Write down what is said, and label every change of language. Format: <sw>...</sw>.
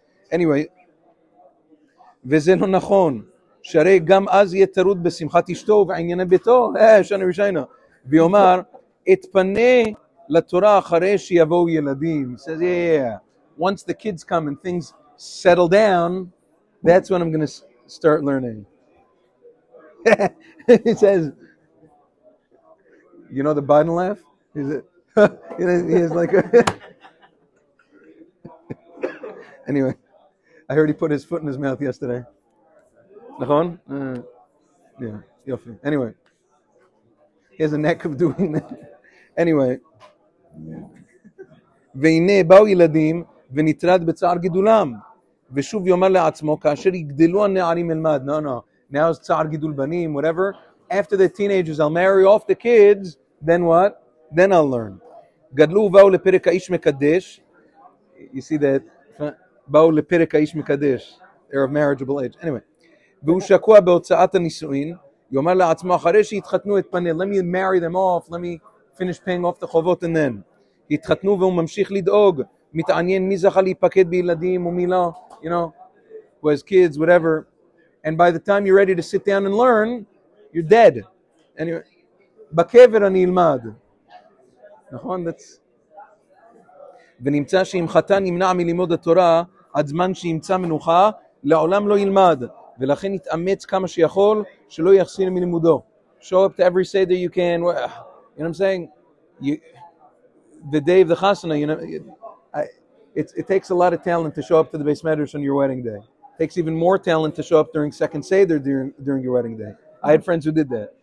<he>Anyway, וזה לא נכון, שהרי גם אז יהיה תרוד בשמחת אשתו ועניינה ביתו, שאני ושיינה, ויאמר, אתפנה לתורה אחרי שיבואו ילדים.</he> <en>He says, yeah, yeah, yeah, once the kids come and things settle down, that's when I'm going to start learning. He says, you know the Biden laugh? He's like, anyway. I heard he put his foot in his mouth yesterday. נכון? Yeah, יופי. Anyway. He has a knack of doing that. Anyway.</en> <he>והנה באו ילדים ונטרד בצער גידולם. ושוב יאמר לעצמו, כאשר יגדלו הנערים אלמד.</he> <en>No, no. Now it's</en> <he>צער גידול בנים,</he> <en>whatever. After the teenagers, I'll marry off the kids. Then what? Then I'll learn.</en> <he>גדלו ובאו לפרק האיש מקדש.</he> <en>You see that?</en> <he>באו לפרק האיש מקדש,</he> <en>Heir of Marriageable Age.</en> <he>Anyway, והוא שקוע בהוצאת הנישואין, יאמר לעצמו, אחרי שהתחתנו את פניה,</he> <en>let me marry them off, let me finish paying off the חובות and then.</en> <he>התחתנו והוא ממשיך לדאוג, מתעניין מי זכה להיפקד בילדים ומי לא,</he> <en>you know, who has kids, whatever. And by the time you're ready to sit down and learn, you're dead.</en> <he>Anyway, בקבר אני אלמד. נכון? That's... ונמצא שאם חתן ימנע מלימוד התורה, עד זמן שימצא מנוחה, לעולם לא ילמד, ולכן יתאמץ כמה שיכול, שלא יחסיר מלימודו.</he> <en>Show up to every seder you can, you know what I'm saying? The day of the chasana, you know, it takes a lot of talent to show up to the base medrash on your wedding day. It takes even more talent to show up during second seder during your wedding day. I had friends who did that.</en>